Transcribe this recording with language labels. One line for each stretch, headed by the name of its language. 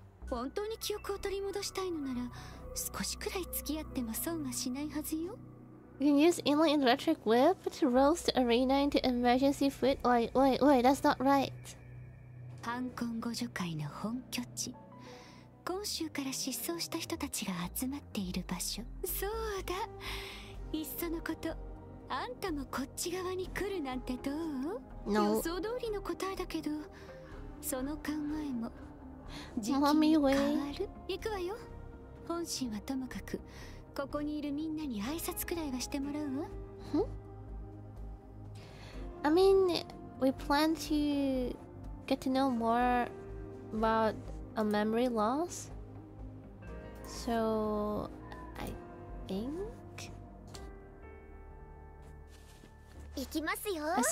Japanese: 本当に記憶を取り戻したいのなら少しくらい付き合っても損がしないはずよ。
English: You can use Yinlin electric whip to roast the arena into emergency food. Oi, that's not right.
Japanese: ハンコン互助会の本拠地、今週から失踪した人たちが集まっている場所。そうだ、いっそのことあんたもこっち側に来るなんてどう？
English: No.
Japanese: 予想通りの答えだけど、その考えも時期に変わる。行くわよ。本心はともかく、ここにいるみんなに挨拶くらいはしてもらうわ。
English: I mean, we plan to get to know more about a memory loss. So, I think...
Japanese: 行きますよ。